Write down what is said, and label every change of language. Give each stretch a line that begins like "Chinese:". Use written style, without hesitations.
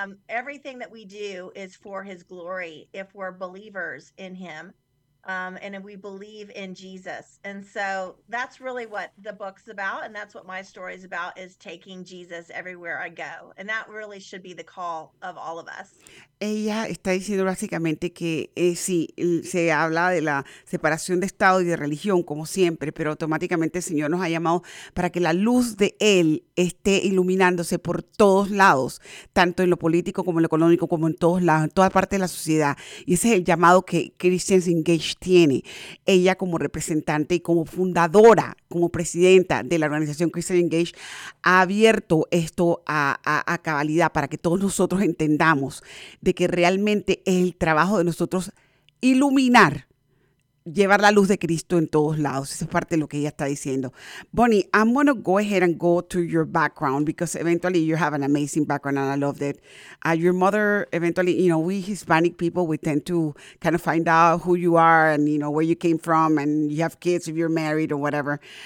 English: Everything that we do is for his glory if we're believers in him, and if we believe in Jesus. And so that's really what the book's about, and that's what my story is about, is taking Jesus everywhere I go. And that really should be the call of all of us.
Spanish: Ella está diciendo básicamente que sí, se habla de la separación de Estado y de religión, como siempre, pero automáticamente el Señor nos ha llamado para que la luz de Él esté iluminándose por todos lados, tanto en lo político como en lo económico, como en todos lados, en toda parte de la sociedad. Y ese es el llamado que Christians Engage tiene. Ella como representante y como fundadora, como presidenta de la organización Christians Engage, ha abierto esto a cabalidad para que todos nosotros entendamos de que realmente es el trabajo de nosotros iluminar, llevar la luz de Cristo en todos lados. Eso es parte de lo que ella está diciendo.
English: Bonnie, I'm going to go ahead and go to your background because eventually you have an amazing background and I love that. Your mother, eventually, you know, we Hispanic people, we tend to kind of find out who you are and, you know, where you came from and you have kids if you're married or whatever.